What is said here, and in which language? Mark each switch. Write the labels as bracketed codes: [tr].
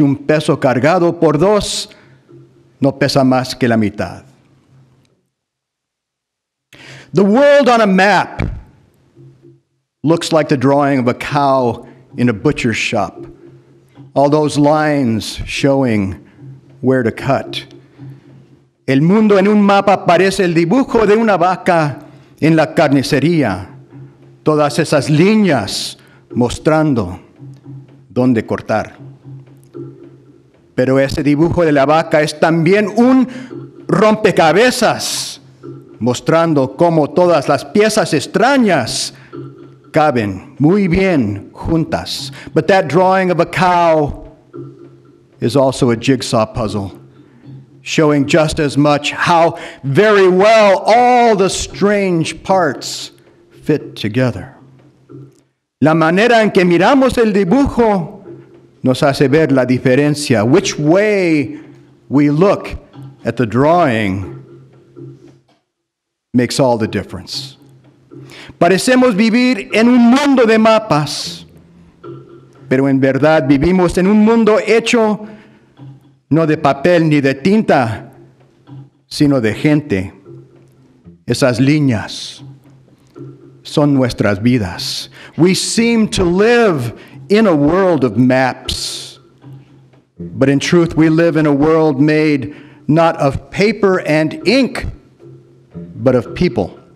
[es] Un peso cargado por dos no pesa más que la mitad. [en] The world on a map looks like the drawing of a cow in a butcher's shop. All those lines showing where to cut. [es] El mundo en un mapa parece el dibujo de una vaca en la carnicería. Todas esas líneas mostrando dónde cortar. Pero ese dibujo de la vaca es también un rompecabezas mostrando cómo todas las piezas extrañas caben muy bien juntas. [en] But that drawing of a cow is also a jigsaw puzzle, showing just as much how very well all the strange parts fit together. [es] La manera en que miramos el dibujo nos hace ver la diferencia. [en] Which way we look at the drawing makes all the difference. [es] Parecemos vivir en un mundo de mapas, pero en verdad vivimos en un mundo hecho no de papel ni de tinta, sino de gente. Esas líneas son nuestras vidas. [en] We seem to live in a world of maps, but in truth we live in a world made not of paper and ink, but of people.